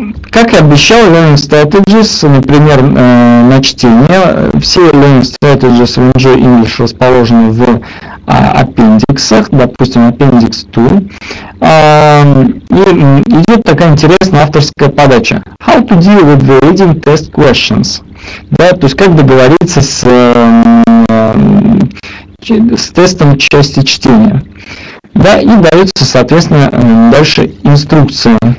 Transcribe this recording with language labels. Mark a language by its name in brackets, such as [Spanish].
[Russian] Как и обещал, Learning Strategies, например, на чтение, все Learning Strategies в Enjoy English расположены в аппендиксах, допустим, аппендикс 2. И идет такая интересная авторская подача. [English] How to deal with the reading test questions? [Russian] Да, то есть как договориться с тестом части чтения. Да, и дается, соответственно, дальше инструкция.